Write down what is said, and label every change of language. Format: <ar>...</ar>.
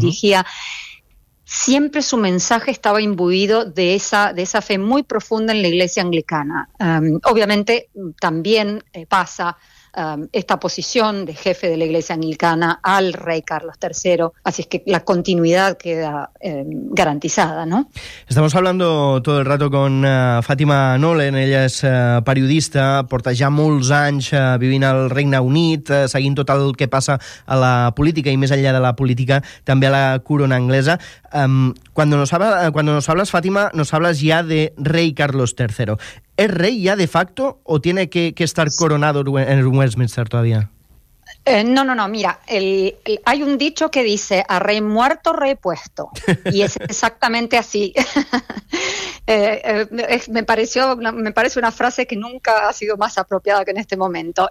<es>dirigía, siempre su mensaje estaba imbuido de esa fe muy profunda en la Iglesia Anglicana. Obviamente también pasa esta posición de jefe de la Iglesia Anglicana al rey Carlos III, así es que la continuidad queda garantizada, ¿no? Estamos hablando todo el rato con Fátima Nolen.</es> <ca>Ella és periodista, porta ja molts anys vivint al Regne Unit, seguint tot el que passa a la política i més enllà de la política, també a la corona anglesa.</ca> <es>Cuando nos hablas, Fátima, nos hablas ya de rey Carlos III. ¿Es rey ya de facto o tiene que estar coronado en el Westminster todavía? No. Mira, hay un dicho que dice a rey muerto, rey puesto. Y es exactamente así. me parece una frase que nunca ha sido más apropiada que en este momento.</es>